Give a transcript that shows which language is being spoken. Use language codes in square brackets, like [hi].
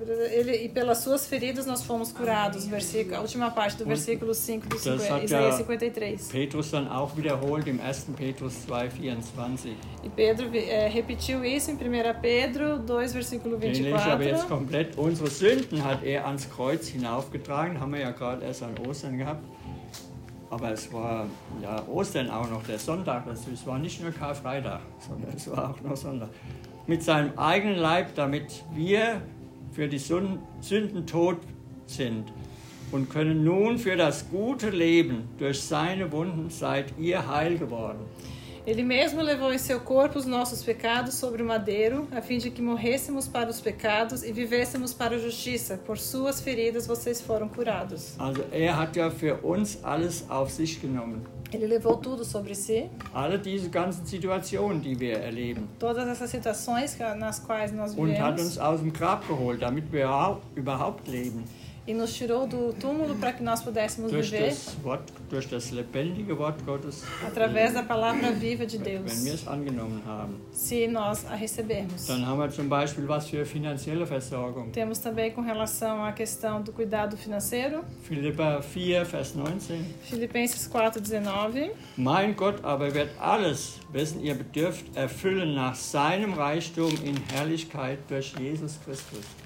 [pt] Ele, e pelas suas feridas nós fomos curados, a última parte do versículo 5, do Isaías 53. [de] Petrus dann auch wiederholt im 1. Petrus 2, 24. [pt] E Pedro repetiu isso em 1. Pedro 2, versículo 24. [de] Den lese ich aber jetzt komplett. Unsere Sünden hat er ans Kreuz hinaufgetragen, haben wir ja gerade erst an Ostern gehabt. Aber es war ja Ostern auch noch, der Sonntag, also es war nicht nur Karfreitag, sondern es war auch noch Sonntag. Mit seinem eigenen Leib, damit wir für die Sünden tot sind und können nun für das gute Leben durch seine Wunden seid ihr heil geworden. [pt] Ele mesmo levou em seu corpo os nossos pecados sobre o madeiro, a fim de que morrêssemos para os pecados e vivêssemos para a justiça. Por suas feridas vocês foram curados. [de] Also, er hat ja für uns alles auf sich genommen. [pt] Ele levou tudo sobre si. [de] Alle diese ganzen Situationen, die wir erleben. [pt] Todas essas situações nas quais nós vivemos. [de] Und hat uns aus dem Grab geholt, damit wir überhaupt leben. [pt] E nos tirou do túmulo para que nós pudéssemos [de] durch [pt] viver. [de] Das Wort, durch das lebendige Wort Gottes. [pt] Através da palavra viva de Deus. [de] Wenn wir es angenommen haben. [pt] Se nós a recebermos. [de] Dann haben wir zum Beispiel was für finanzielle Versorgung. [pt] Temos também com relação à questão do cuidado financeiro. [de] Philippa 4, Vers 19. [pt] Filipenses 4, 19. [de] Mein Gott aber wird alles, wessen ihr bedürft, erfüllen nach seinem Reichtum in Herrlichkeit durch Jesus Christus.